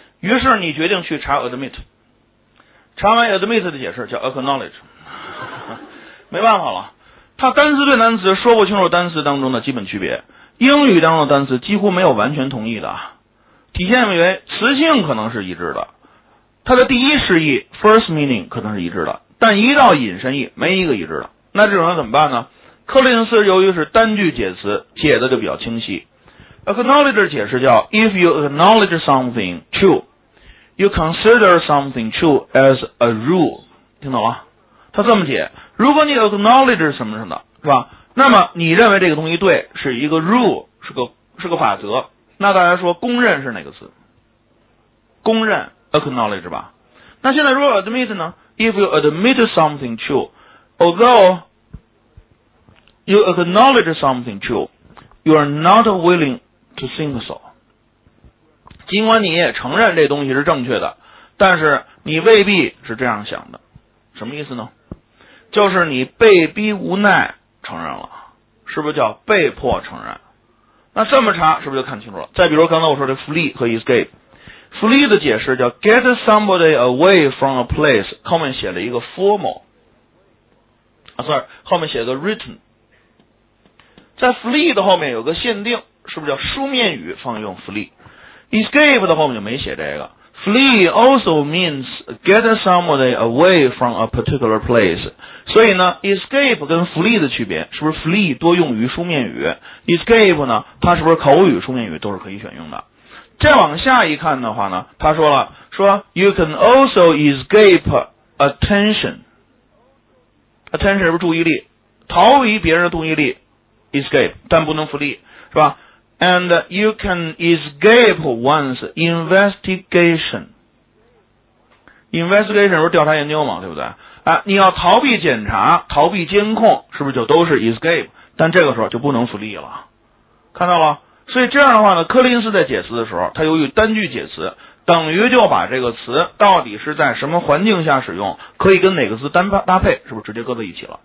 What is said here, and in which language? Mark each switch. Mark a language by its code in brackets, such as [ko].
[zh] 于是你决定去查 admit， 查完 admit 的解释叫 acknowledge， 没办法了，它单词对单词说不清楚单词当中的基本区别，英语当中的单词几乎没有完全同义的。体现为词性可能是一致的，它的第一释义 first meaning 可能是一致的，但一到引申义没一个一致的。那这种人怎么办呢？柯林斯由于是单句解词，解的就比较清晰。 acknowledge 解释叫 [en] if you acknowledge something true you consider something true as a rule， [zh] 听懂了？他这么解，如果你 acknowledge 什么什么的，是吧？那么你认为这个东西对，是一个 rule， 是个法则。那大家说公认是哪个词？公认 acknowledge 吧。那现在如果 admit 呢？ [en] If you admit something true although you acknowledge something true you are not willing to think so， [zh] 尽管你也承认这东西是正确的，但是你未必是这样想的。什么意思呢？就是你被逼无奈承认了，是不是叫被迫承认？那这么查是不是就看清楚了？再比如刚才我说的 flee 和 escape， flee 的解释叫 [en] get somebody away from a place， [zh] 后面写了一个 formal， 后面写了个 written， 在 flee 的后面有个限定，是不是叫书面语放用 flee？ escape 的后面就没写这个。 [en] flee also means get somebody away from a particular place， [zh] 所以呢 escape 跟 flee 的区别是不是 flee 多用于书面语，escape 呢它是不是口语书面语都是可以选用的。再往下一看的话呢，他说了，说 [en] you can also escape attention， [zh] attention 是不是注意力，逃离别人的注意力 escape， 但不能 flee， 是吧？ [en] and you can escape one's investigation， [zh] investigation 是不是调查研究嘛，对不对？你要逃避检查逃避监控，是不是就都是 escape， 但这个时候就不能 flee 了，看到了？所以这样的话呢，柯林斯在解词的时候，他由于单句解词，等于就把这个词到底是在什么环境下使用，可以跟哪个词单搭配，是不是直接搁在一起了？